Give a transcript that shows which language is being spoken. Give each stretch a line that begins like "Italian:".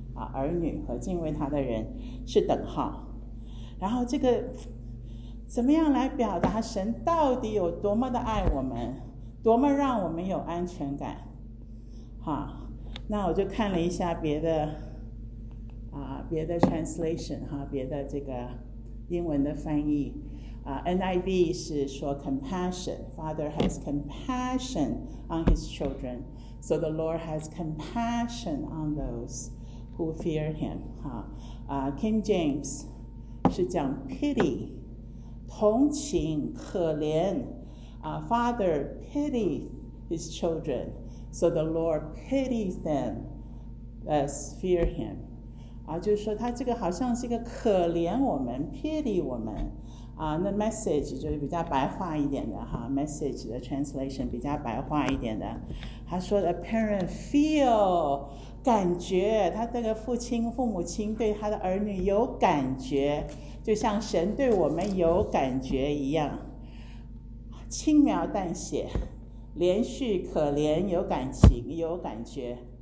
Chinese: 啊，儿女和敬畏他的人是等号。然后这个怎么样来表达神到底有多么的爱我们，多么让我们有安全感？哈，那我就看了一下别的 translation 哈，别的这个英文的翻译。
English: NIV
Chinese: 是说
English: compassion, Father has compassion on his children, so the Lord has compassion on those who fear him.
Chinese: King James 是讲 pity, 同情可怜。
English: Father pities his children, so the Lord pities them as fear him.
Chinese: 就是说他这个好像是一个可怜我们 ,pity 我们。那 message 就是比较白话一点的哈 ，message 的 translation 比较白话一点的，他说的
English: parent feel
Chinese: 感觉，他这个父母亲对他的儿女有感觉，就像神对我们有感觉一样，轻描淡写，连续可怜有感情有感觉。